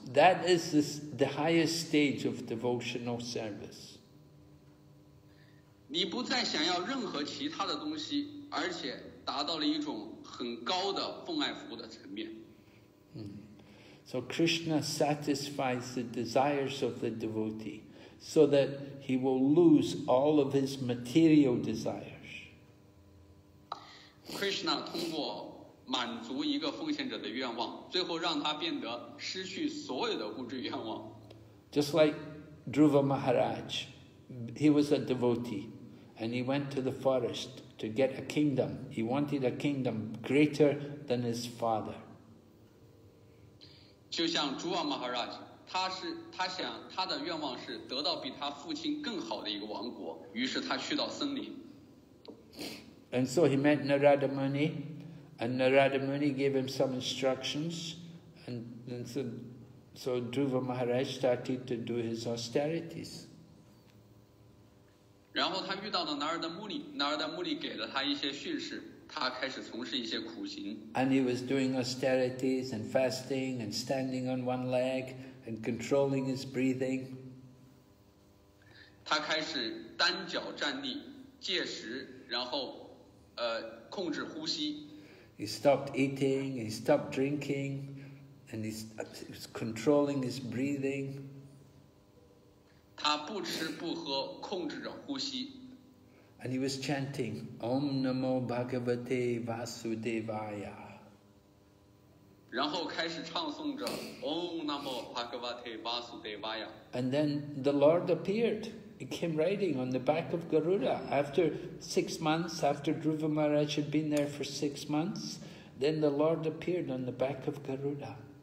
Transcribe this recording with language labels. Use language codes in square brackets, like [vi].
[en] That is the highest stage of devotional service. [zh] 你不再想要任何其他的东西，而且达到了一种很高的奉爱服务的层面。 [en] So Krishna satisfies the desires of the devotee so that he will lose all of his material desires. [zh] Krishna 通过满足一个奉献者的愿望，最后让他变得失去所有的物质愿望。 [en] Just like Dhruva Maharaj, he was a devotee, and he went to the forest to get a kingdom. He wanted a kingdom greater than his father. [zh] 就像 Dhruva Maharaj, 他的愿望是得到比他父亲更好的一个王国，于是他去到森林。 [en] And so he met Narada Muni, and Narada Muni gave him some instructions, and so Dhruva Maharaj started to do his austerities. [zh] 然后他遇到了 Narada Muni, Narada Muni 给了他一些训示，他开始从事一些苦行。 [en] And he was doing austerities and fasting and standing on one leg and controlling his breathing. [zh] 他开始单脚站立，戒食，然后控制呼吸。 [en] He stopped eating, he stopped drinking, and he was controlling his breathing. [zh] 他不吃不喝，控制着呼吸。 [en] And he was chanting, [sa] Om Namo Bhagavate Vasudevaya. [zh] 然后开始唱诵着 [sa] Om Namo Bhagavate Vasudevaya. [en] And then the Lord appeared. He came riding on the back of Garuda. After 6 months, after Dhruva Maharaj had been there for 6 months, then the Lord appeared on the back of Garuda.